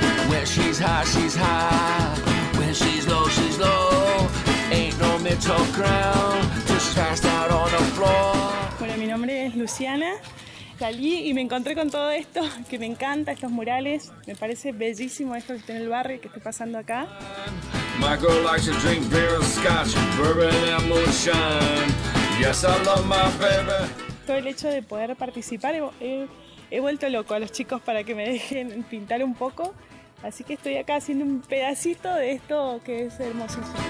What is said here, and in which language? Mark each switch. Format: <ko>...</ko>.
<en>When she's high, she's high. When she's low, she's low. Ain't no middle ground. Just passed out on the floor.</en> <es>Bueno, mi nombre es Luciana. Salí y me encontré con todo esto, que me encanta, estos murales. Me parece bellísimo esto que está en el barrio, que está pasando acá.</es> <en>My girl likes to drink beer and scotch, bourbon and moonshine. Yes, I love my baby.</en> <es>Todo el hecho de poder participar, he vuelto loco a los chicos para que me dejen pintar un poco. Así que estoy acá haciendo un pedacito de esto que es hermosísimo.</es>